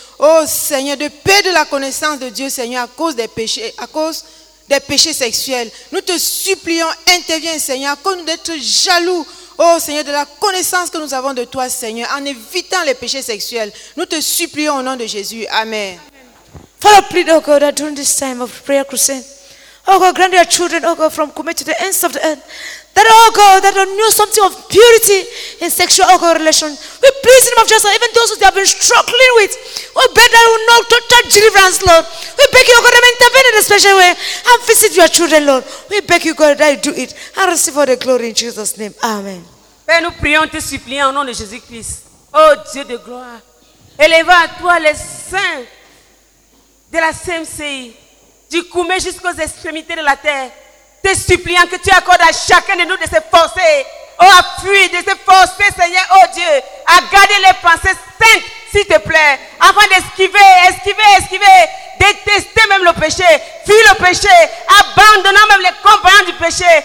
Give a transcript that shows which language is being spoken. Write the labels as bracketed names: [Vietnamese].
[French] Oh, Seigneur, de paix de la connaissance de Dieu, Seigneur, à cause des péchés, à cause des péchés sexuels. Nous te supplions, interviens, Seigneur, à cause d'être jaloux, oh Seigneur, de la connaissance que nous avons de toi, Seigneur, en évitant les péchés sexuels. Nous te supplions au nom de Jésus. Amen. Amen. [English] Father, plead, oh God, that during this time of prayer crusade, oh God, grant your children, oh God, from Koumé to the ends of the earth, that, oh God, that they knew something of purity in sexual, oh God, relation. We please in the name of Jesus, even those who they have been struggling with, we beg that you know total deliverance, Lord. We beg you, oh God, that you intervene in a special way and visit your children, Lord. We beg you, God, that you do it and receive all the glory in Jesus' name. Amen. [French] Père, nous prions, te supplions au nom de Jésus-Christ. Oh Dieu de gloire, élève à toi les saints de la CMCI, du Koumé jusqu'aux extrémités de la terre. Te suppliant que tu accordes à chacun de nous de s'efforcer, oh, à fuir, de s'efforcer, Seigneur, oh Dieu, à garder les pensées saintes, s'il te plaît, afin d'esquiver, détester même le péché, fuir le péché, abandonnant même les compagnons du péché.